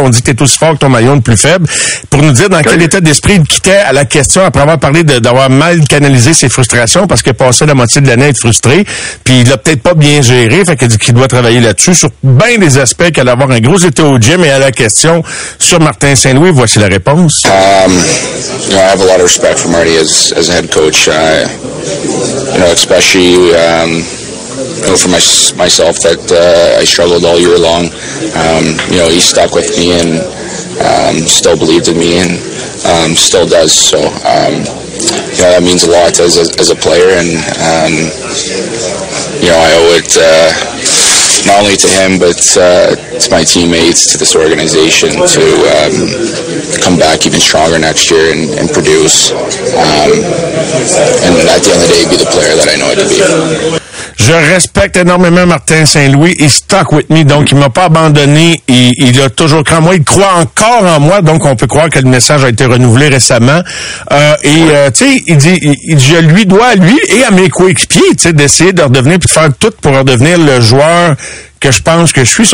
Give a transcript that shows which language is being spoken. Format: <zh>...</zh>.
<fr>On dit que t'es aussi fort que ton maillon le plus faible. Pour nous dire dans quel état d'esprit il quittait à la question après avoir parlé d'avoir mal canalisé ses frustrations, parce qu'il passait la moitié de l'année à être frustré, puis il l'a peut-être pas bien géré, fait qu'il dit qu'il doit travailler là-dessus sur bien des aspects qu'à avoir un gros été au gym. Et à la question sur Martin Saint-Louis, voici la réponse.</fr> <en>You know, I have a lot of respect for Marty as a head coach. You know, especially you know, for myself that I struggled all year long. You know, he stuck with me and still believed in me and still does. So, you know, that means a lot as a player. And you know, I owe it not only to him, but to my teammates, to this organization, to come back even stronger next year and produce. And at the end of the day, be the player that I know I could be.</en> <fr>Je respecte énormément Martin Saint-Louis.</fr> <en>He stuck with me.</en> <fr>Donc, il m'a pas abandonné. Il a toujours cru en moi. Il croit encore en moi. Donc, on peut croire que le message a été renouvelé récemment. Tu sais, il dit, je lui dois à lui et à mes coéquipiers, tu sais, d'essayer de redevenir puis de faire tout pour redevenir le joueur que je pense que je suis.</fr>